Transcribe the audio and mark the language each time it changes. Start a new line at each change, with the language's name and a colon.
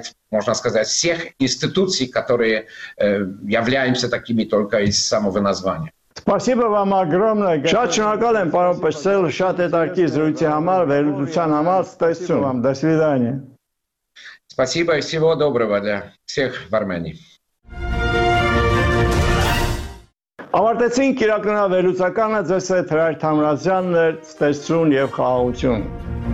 Russian: Можно сказать, всех институций, которые являемся такими только из самого названия. Спасибо вам огромное.
Armenian: Շատ շնորհակալ եմ, պարոն Պշտել, շատ հետաքրքիր զրույցի համար, վերլուծության համար, տեսնում եմ,
Russian: до свидания. Спасибо и всего доброго для всех в Армении.
Armenian: Ավարտեցինք իրաքնորա վերլուծականը, ձեզ հետ Հրանտ Համրազյանն էր, տեսնում եւ խաղաղություն։